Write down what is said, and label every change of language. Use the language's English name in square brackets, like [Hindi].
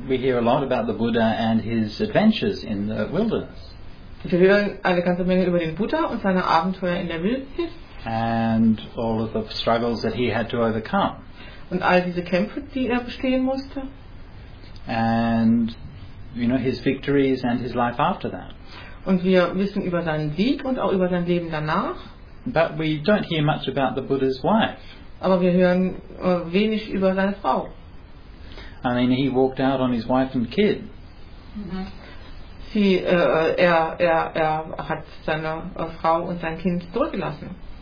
[English] We hear a lot about the Buddha and his adventures in the wilderness. [German] Wir hören eine ganze Menge über den Buddha und seine Abenteuer in der Wildnis. [English] And all of the struggles that he had to overcome. [German] Und all diese Kämpfe, die er bestehen musste. [English] And, you know, his victories and his life after that. [German] Und wir wissen über seinen Sieg und auch über sein Leben danach. [English] But we don't hear much about the Buddha's wife. [German] Aber wir hören wenig über seine Frau. [English] I mean, he walked out on his wife and kid. Mm-hmm. [German] Er hat seine Frau und sein Kind zurückgelassen.